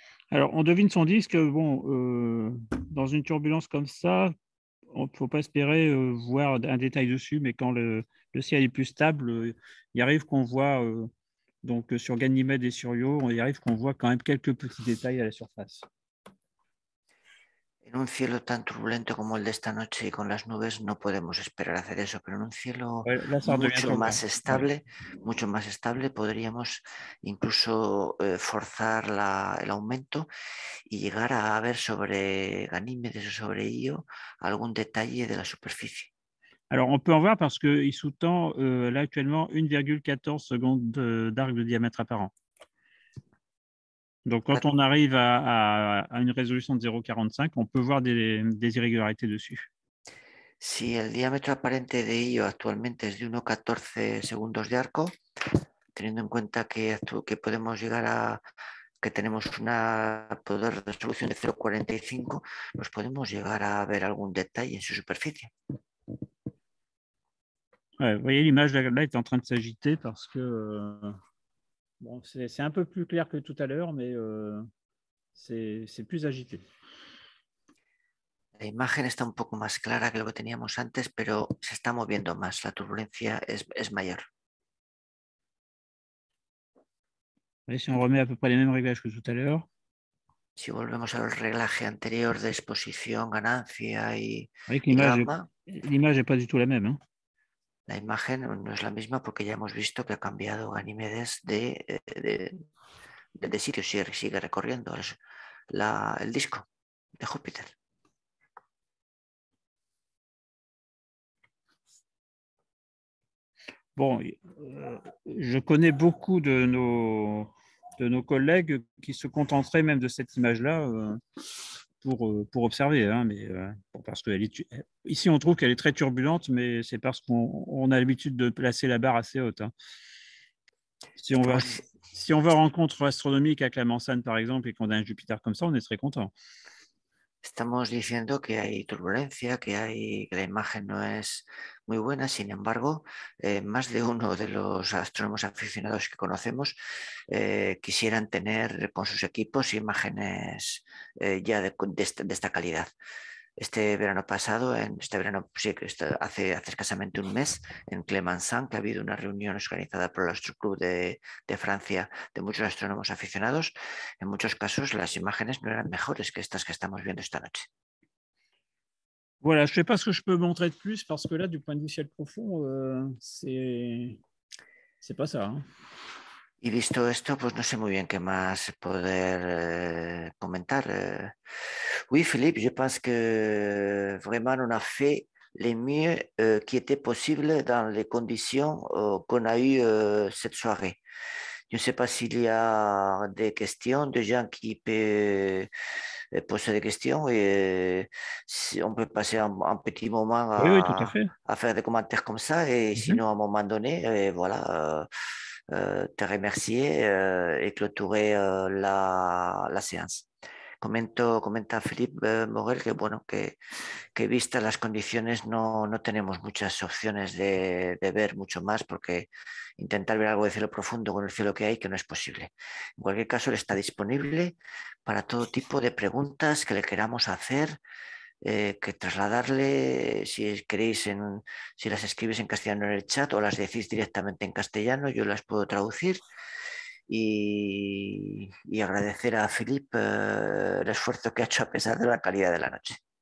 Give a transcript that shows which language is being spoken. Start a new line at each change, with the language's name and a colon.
French: Alors, on devine son disque. Bon, dans une turbulence comme ça, il ne faut pas espérer voir un détail dessus, mais quand le ciel est plus stable, il arrive qu'on voit, donc sur Ganymède et sur Io, il arrive qu'on voit quand même quelques petits détails à la surface.
Spanish: En un cielo tan turbulento como el de esta noche y con las nubes, no podemos esperar hacer eso, pero en un cielo
French: Ouais, là, ça redevient troublant. Ouais.
Spanish: mucho más estable, podríamos incluso forzar el aumento y llegar a ver sobre Ganímedes o sobre Io algún detalle de la superficie.
French: Alors, on peut en voir parce qu'il sous-tend là actuellement 1,14 secondes d'arc de diamètre apparent. Donc, quand on arrive à une résolution de 0,45, on peut voir des irrégularités dessus.
Spanish: Si el diámetro aparente de Io actualmente es de 1,14 segundos de arco, teniendo en cuenta que podemos llegar a que tenemos una poder de resolución de 0,45, pues podemos llegar a ver algún detalle en su superficie.
French: Ouais, vous voyez, l'image là est en train de s'agiter parce que bon, c'est un peu plus clair que tout à l'heure, mais c'est plus agité.
Spanish: La imagen está un poco más clara que lo que teníamos antes, pero se está moviendo más. La turbulencia es mayor.
French: Voyez, si on remet à peu près les mêmes réglages que tout à l'heure.
Spanish: Si volvemos al reglaje anterior de exposición, ganancia
French: Voyez que
Spanish: y gamma,
French: l'image n'est pas du tout la même, hein.
Spanish: la imagen no es la misma porque ya hemos visto que ha cambiado Ganímedes de sitio, sigue recorriendo el disco de Júpiter.
French: Bon, je connais beaucoup de nos collègues qui se contenteraient même de cette image-là pour observer, hein, mais bon, parce qu'elle est ici on trouve qu'elle est très turbulente, mais c'est parce qu'on a l'habitude de placer la barre assez haute. Hein. Si on va en rencontre astronomique à Clemensan, par exemple, et qu'on a un Jupiter comme ça, on est très content.
Spanish: Estamos diciendo que hay turbulencia, que hay que la imagen no es muy buena. Sin embargo, más de uno de los astrónomos aficionados que conocemos quisieran tener con sus equipos imágenes ya de esta calidad. Este verano pasado, este verano, sí, hace escasamente un mes, en Clemensin, que ha habido una reunión organizada por el Astro Club de Francia de muchos astrónomos aficionados, en muchos casos las imágenes no eran mejores que estas que estamos viendo esta noche.
French: Voilà, je ne sais pas ce que je peux montrer de plus parce que là, du point de vue ciel profond, c'est pas ça, hein.
Spanish: Y visto esto, pues no sé muy bien qué más poder comentar.
French: Oui, Philippe, je pense que vraiment on a fait le mieux qui était possible dans les conditions qu'on a eues cette soirée. Je ne sais pas s'il y a des questions, des gens qui peuvent poser des questions et si on peut passer un petit moment Oui, tout à fait. à faire des commentaires comme ça et sinon à un moment donné, et voilà. Te remercier et clôturer la séance.
Spanish: Comenta Philippe Morel que, bueno, que vistas las condiciones, no tenemos muchas opciones de ver mucho más, porque intentar ver algo de cielo profundo con el cielo que hay, que no es posible. En cualquier caso, él está disponible para todo tipo de preguntas que le queramos hacer, que trasladarle, si queréis, si las escribís en castellano en el chat o las decís directamente en castellano, yo las puedo traducir y agradecer a Philippe el esfuerzo que ha hecho a pesar de la calidad de la noche.